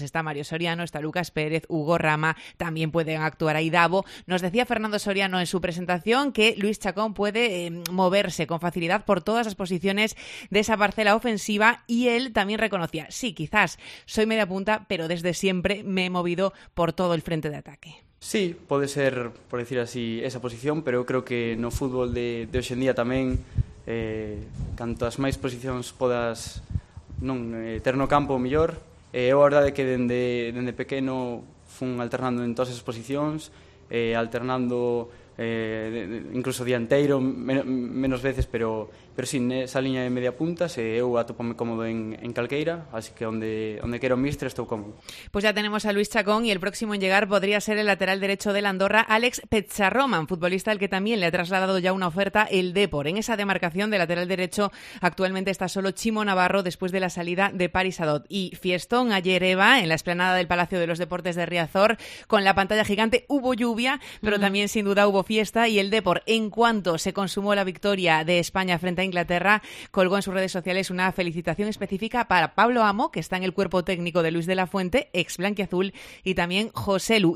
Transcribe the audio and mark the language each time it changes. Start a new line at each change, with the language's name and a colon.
Spanish: Está Mario Soriano, está Lucas Pérez, Hugo Rama, también pueden actuar ahí Davo. Nos decía Fernando Soriano en su presentación que Luis Chacón puede moverse con facilidad por todas las posiciones de esa parcela ofensiva y él también reconocía, sí, quizás soy media punta, pero desde siempre me he movido por todo el frente de ataque.
Galician: Sí, puede ser, por decir así, esa posición, pero yo creo que no fútbol de hoxe en día tamén, cantas máis posicións podas non, ter no campo, mellor. É a verdade que dende pequeno fun alternando en todas as posicións, alternando incluso dianteiro menos veces, pero sin esa liña de media punta, eu atopome cómodo en calqueira, así que onde quero mister estou cómodo.
Spanish: Pues ya tenemos a Luis Chacón y el próximo en llegar podría ser el lateral derecho del Andorra, Alex Petxarroman, futbolista al que también le ha trasladado ya una oferta el Depor. En esa demarcación de lateral derecho actualmente está solo Chimo Navarro después de la salida de Paris Adot. Y fiestón ayer, Eva, en la explanada del Palacio de los Deportes de Riazor, con la pantalla gigante, hubo lluvia, pero también sin duda hubo fiesta y el Depor, en cuanto se consumó la victoria de España frente a Inglaterra, colgó en sus redes sociales una felicitación específica para Pablo Amo, que está en el cuerpo técnico de Luis de la Fuente, ex blanquiazul, y también José Lu.